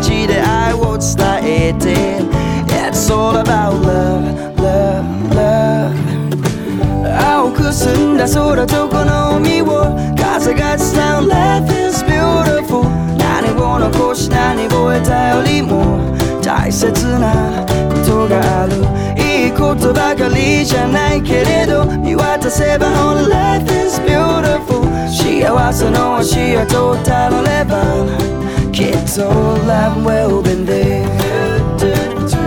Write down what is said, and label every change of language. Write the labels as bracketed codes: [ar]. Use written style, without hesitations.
[en] It's all about love, love, love. [ja] 青く澄んだ空とこの海を 風が伝う [en] life is beautiful. [ja] 何を残し何を得たよりも 大切なことがある。いいことばかりじゃないけれど 見渡せば [en] all life is beautiful. [ja] 幸せの足跡をたどれば [en] it's all love will be there.